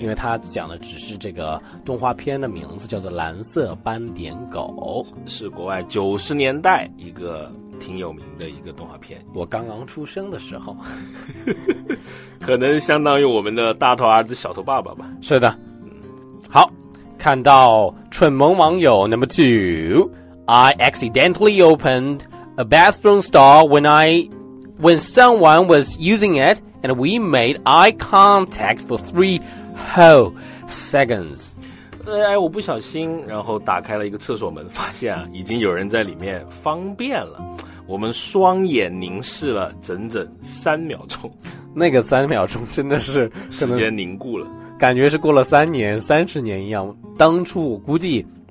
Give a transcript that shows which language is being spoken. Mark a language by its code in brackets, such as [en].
[zh] 因为它讲的只是这个动画片的名字叫做蓝色斑点狗，是国外九十年代一个挺有名的一个动画片，我刚刚出生的时候。可能相当于我们的大头儿子小头爸爸吧。是的。好，看到蠢萌网友 [en] number two，I accidentally opened a bathroom stall when someone was using it, and we made eye contact for 3 whole seconds. [zh] 哎，我不小心，然后打开了一个厕所门，发现啊，已经有人在里面方便了。我们双眼凝视了整整3秒钟。那个3秒钟真的是时间凝固了，感觉是过了30年一样。当初我估计。